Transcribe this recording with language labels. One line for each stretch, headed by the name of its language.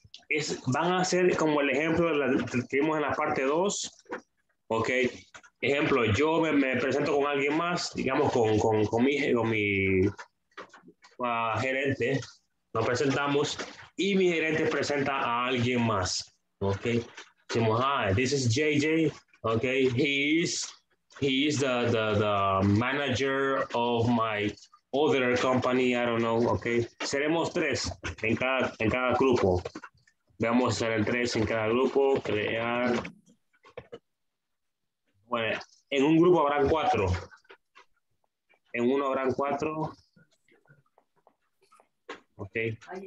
Spanish: Es, van a ser como el ejemplo de la, que tuvimos en la parte dos. Ok. Ejemplo, yo me presento con alguien más, digamos, con mi gerente. Nos presentamos y mi gerente presenta a alguien más.
English: Ok.
Spanish: Decimos,
English: hi, this is JJ. Ok. He is the manager of my other company. I don't know. Okay.
Spanish: Seremos tres en cada grupo. Vamos a ser el tres en cada grupo. Crear. Bueno, en un grupo habrán cuatro. En uno habrán cuatro.
English: Okay.